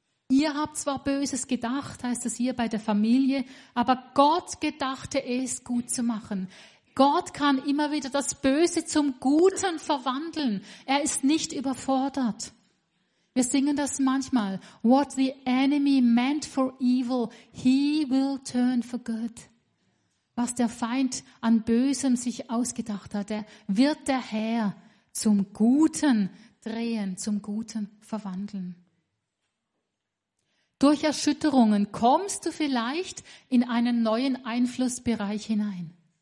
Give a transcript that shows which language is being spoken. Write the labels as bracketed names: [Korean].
[German] Ihr habt zwar Böses gedacht, heißt es hier bei der Familie, aber Gott gedachte es gut zu machen. Gott kann immer wieder das Böse zum Guten verwandeln. Er ist nicht überfordert. Wir singen das manchmal. [English] What the enemy meant for evil, he will turn for good. [German] Was der Feind an Bösem sich ausgedacht hat, der wird der Herr zum Guten drehen, zum Guten verwandeln. Durch Erschütterungen kommst du vielleicht in einen neuen Einflussbereich hinein.